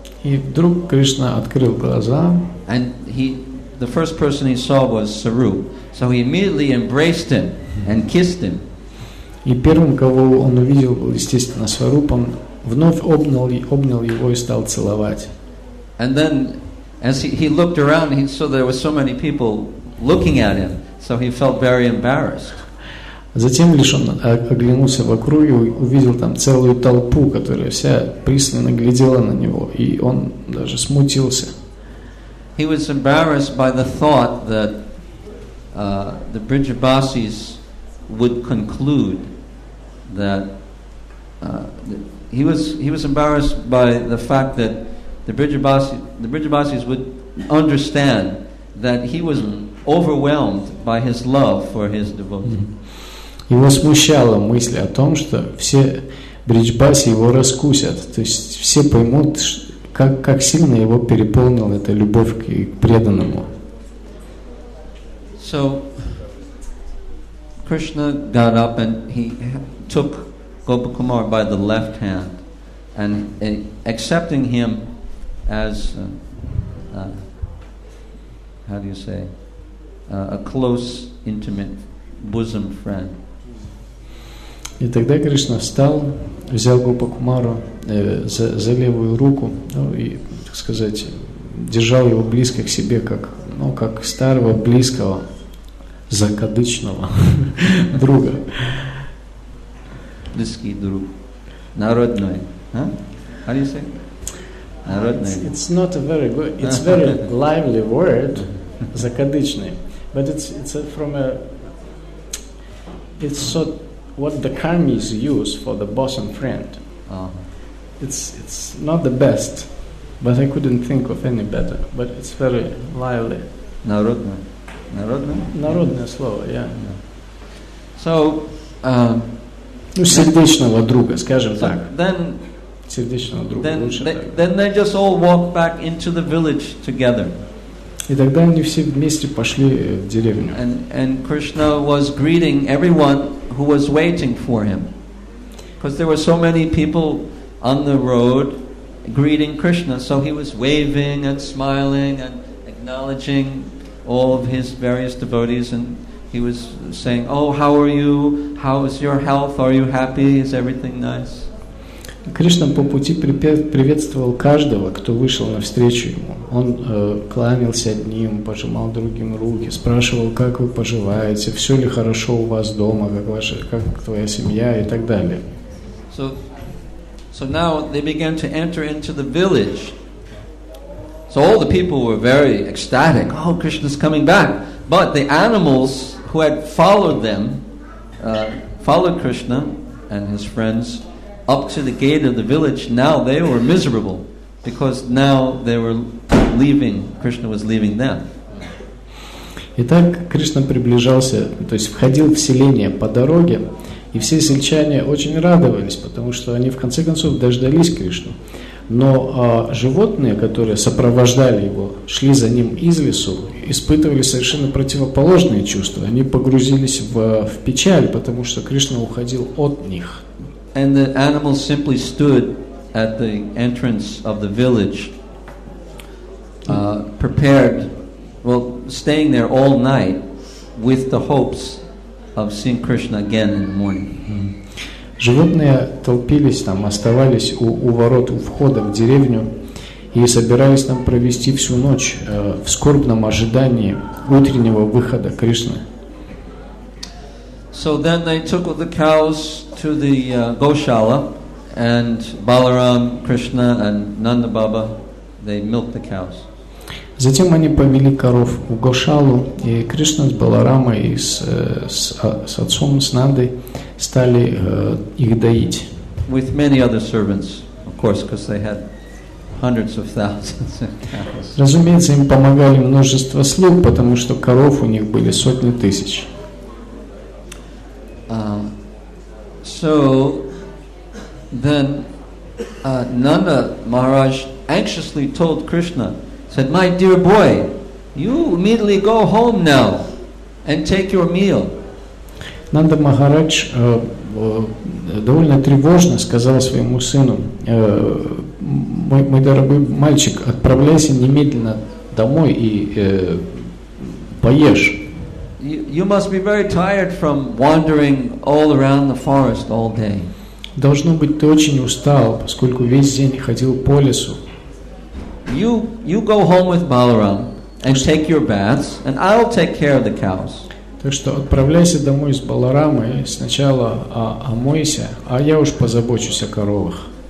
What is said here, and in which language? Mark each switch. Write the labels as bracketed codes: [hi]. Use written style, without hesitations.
[ru] И вдруг Кришна открыл глаза. [en] And the first person he saw was Sarup. So he immediately embraced him and kissed him. [ru] И первым, кого он увидел, был, естественно, Сваруп. Он вновь обнял его и стал целовать. [en] And then as he looked around, he saw there were so many people looking at him, so he felt very embarrassed. [ru] Затем лишь он оглянулся вокруг и увидел там целую толпу, которая вся пристально глядела на него, и он даже смутился. [en] He was embarrassed by the thought that the Brijabasis would conclude that he was embarrassed by the fact that the Brijabasis would understand that he was overwhelmed by his love for his devotee. [ru] Его смущала мысль о том, что все бриджбаси его раскусят, то есть все поймут, как сильно его переполнила эта любовь к преданному. [en] So Krishna got up and he took Gopakumar by the left hand and accepting him as a close, intimate bosom friend. [ru] И тогда Кришна встал, взял Гопакумару за левую руку, ну, и, так сказать, держал его близко к себе, как старого, близкого, закадычного друга. Близкий друг. Народный. [en] How do you say? [ru] Народный. [en] It's not a very good, it's very lively word, [ru] закадычный. [en] But it's from a... It's so... What the Karmis use for the boss and friend. Uh-huh. It's not the best, but I couldn't think of any better. But it's very lively. [ru] Народное. Народное слово, [en] yeah. So, [ru] ну, сердечного друга, скажем [en] so [ru] так. [en] Then, [ru] сердечного друга, [en] then, [ru] лучше [en] they, [ru] так. [en] Then they just all walk back into the village together. [ru] И тогда они все вместе пошли в деревню. [en] And Krishna was greeting everyone who was waiting for him. Because there were so many people on the road greeting Krishna. So he was waving and smiling and acknowledging all of his various devotees. And he was saying, "Oh, how are you? How is your health? Are you happy? Is everything nice?" [ru] Кришна по пути приветствовал каждого, кто вышел навстречу ему. Он кланялся одним, пожимал другим руки, спрашивал, как вы поживаете, все ли хорошо у вас дома, как твоя семья и так далее. [en] So now they began to enter into the village. So all the people were very ecstatic. Oh, Krishna's coming back. But the animals who had followed them, followed Krishna and his friends, up to the gate of the village, now they were miserable because now they were leaving, Krishna was leaving them. [ru] Итак, Кришна приближался, то есть входил в селение по дороге, и все сельчане очень радовались, потому что они в конце концов дождались Кришну. Но животные, которые сопровождали его, шли за ним из лесу, испытывали совершенно противоположные чувства. Они погрузились в печаль, потому что Кришна уходил от них. [en] And the animals simply stood at the entrance of the village, prepared, staying there all night, with the hopes of seeing Krishna again in the morning. [ru] Животные толпились там, оставались у ворот, у входа в деревню и собирались там провести всю ночь в скорбном ожидании утреннего выхода Кришны. [en] So then they took the cows to the Goshala, and Balaram, Krishna, and Nanda Baba, they milked the cows. [ru] Затем они повели коров в Гошалу, и Кришна с Баларамой и с отцом, с Нандой, стали их доить. [en] With many other servants, of course, because they had hundreds of thousands of cows. [ru] Разумеется, им помогали множество слуг, потому что коров у них были сотни тысяч. [en] So then Nanda Maharaj anxiously told Krishna, said, "My dear boy, you immediately go home now and take your meal." [ru] Нанда Махарадж довольно тревожно сказал своему сыну, мой дорогой мальчик, отправляйся немедленно домой и поешь. [en] You must be very tired from wandering all around the forest all day. [ru] Должно быть, ты очень устал, поскольку весь день ходил по лесу. [en] You go home with Balaram and take your baths, and I'll take care of the cows. [ru] Так что отправляйся домой с Баларамой, сначала омойся, а я уж позабочусь о коровах.